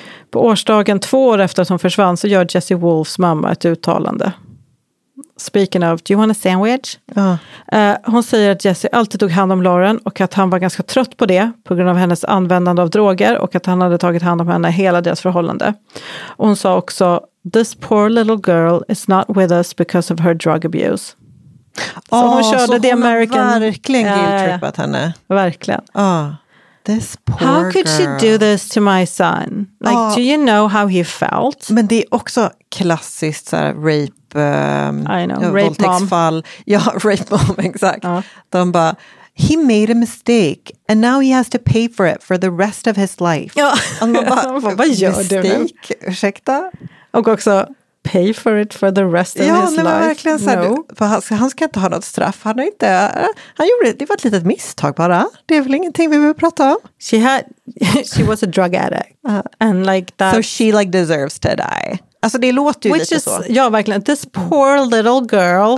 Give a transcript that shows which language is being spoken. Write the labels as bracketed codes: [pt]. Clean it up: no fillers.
[sv] På årsdagen 2 år efter att hon försvann så gör Jesse Wolfs mamma ett uttalande. [en] Speaking of, do you want a sandwich? [sv] Ja. Hon säger att Jesse alltid tog hand om Lauren och att han var ganska trött på det på grund av hennes användande av droger och att han hade tagit hand om henne hela deras förhållande. Och hon sa också... [en] This poor little girl is not with us because of her drug abuse. [sv] Så hon körde The American... Så hon har verkligen guilt-trippat henne. Verkligen. [en] Oh. This poor How could girl. She do this to my son? Like, do you know how he felt? [sv] Men det är också klassiskt så här, rape... [en] I know, rape mom. [sv] Fall. Ja, [en] rape mom, [sv] exakt. De bara, [en] he made a mistake and now he has to pay for it for the rest of his life. [sv] Ja, de bara, vad gör du nu? Ursäkta? Och också... [en] Pay for it for the rest of his life. [sv] Ja, men verkligen så här, no. För han ska inte ha något straff. Han är inte. Han gjorde det var ett litet misstag bara. Det är väl ingenting vi behöver prata om. [en] She was a drug addict. And like that. So she like deserves to die. [sv] Alltså det låter ju [en] Which [sv] lite [en] is, [sv] så. Ja, verkligen. [en] This poor little girl.